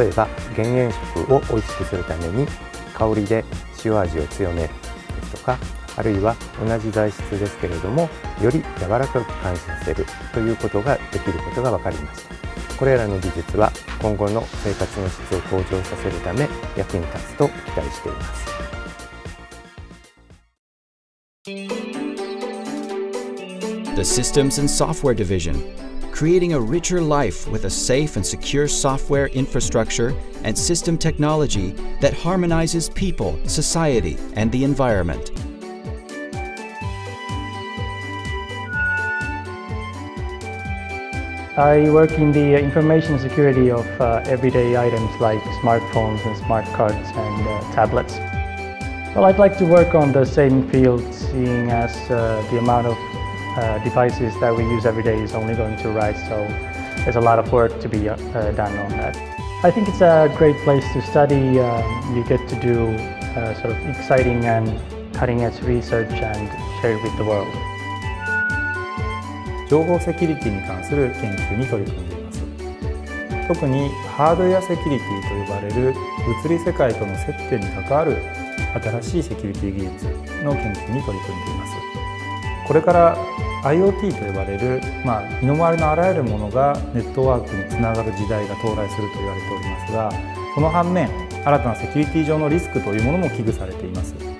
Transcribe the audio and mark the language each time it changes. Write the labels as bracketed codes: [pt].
[ja] 例えば減塩食を美味しくするために、香りで塩味を強めるですとか、あるいは同じ材質ですけれども、より柔らかく感じさせるということができることが分かりました。これらの技術は今後の生活の質を向上させるため役に立つと期待しています。 [en] the Systems and Software Division, creating a richer life with a safe and secure software infrastructure and system technology that harmonizes people, society, and the environment. I work in the information security of everyday items like smartphones and smart cards and tablets. Well, I'd like to work on the same field, seeing as the amount of devices that we use every day is only going to rise, so there's a lot of work to be done on that. I think it's a great place to study. You get to do sort of exciting and cutting-edge research and share it with the world. [ja] 情報セキュリティに関する研究に取り組んでいます。特にハードウェアセキュリティと呼ばれる物理世界との接点に関わる新しいセキュリティ技術の研究に取り組んでいます。これから IoT と呼ばれる、身の回りのあらゆるものがネットワークにつながる時代が到来すると言われておりますが、その反面、新たなセキュリティ上のリスクというものも危惧されています。